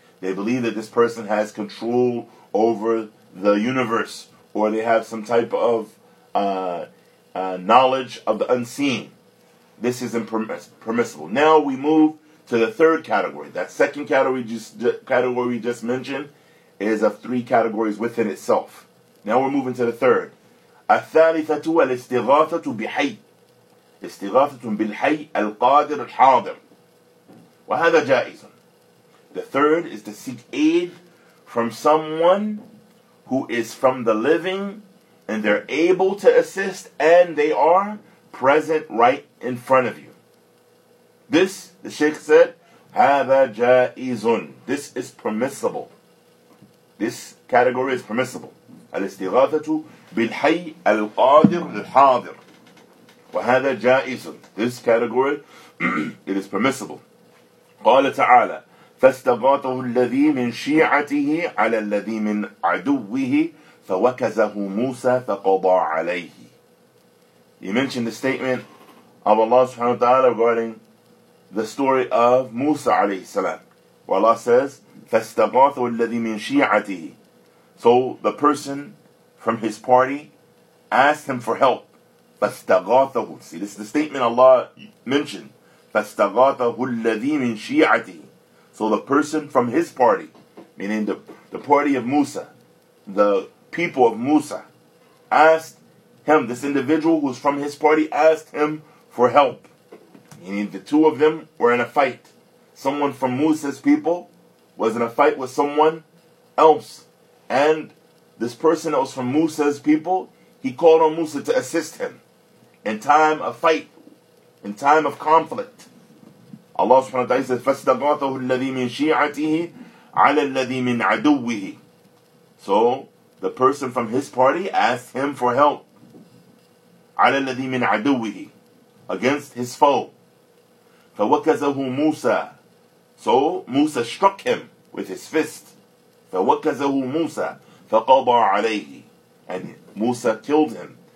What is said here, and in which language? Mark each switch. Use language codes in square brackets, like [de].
[en] They believe that this person has control over the universe, or they have some type of knowledge of the unseen. This is impermissible. Now we move to the third category. That second category, category we just mentioned, is of three categories within itself. Now we're moving to the third. [ar] الثالثة الاستغاثة بحي استغاثة بالحي القادر الحاضر وهذا جائز. [en] The third is to seek aid from someone who is from the living and they're able to assist and they are present right in front of you. This, the Sheikh said, [ar] هذا جائز. [en] This is permissible. This category is permissible. [ar] الاستغاثة بالحي القادر الحاضر وهذا جائز. [en] This category, it is permissible. [ar] قال تعالى فاستغاثه الذي من شيعته على الذي من عدوه فوكزه موسى فقضى عليه. [en] He mentioned the statement of Allah subhanahu wa ta'ala regarding the story of Musa alayhi salam. Where Allah says, [ar] فاستغاثه الذي من شيعته. [en] So the person from his party asked him for help. [ar] فَاسْتَغَاثَهُ. [en] See, this is the statement Allah mentioned. [ar] فَاسْتَغَاثَهُ الَّذِي مِنْ شِيَعَتِهِ. [en] So the person from his party, meaning the party of Musa, the people of Musa, asked him, this individual who was from his party, asked him for help. Meaning the two of them were in a fight. Someone from Musa's people was in a fight with someone else. And this person that was from Musa's people, he called on Musa to assist him in time of fight, in time of conflict. Allah subhanahu wa ta'ala says, [ar] فَاسْتَغَاثَهُ الَّذِي مِنْ شِيْعَتِهِ عَلَى الَّذِي مِنْ عَدُوِّهِ. [en] So, the person from his party asked him for help. [ar] عَلَى الَّذِي مِنْ عَدُوِّهِ. [en] Against his foe. [ar] فَوَكَزَهُ مُوسَى. [en] So, Musa struck him with his fist. [ar] فَوَكَزَهُ مُوسَى. فَقَضَى عَلَيْهِ. [en] And Musa killed him.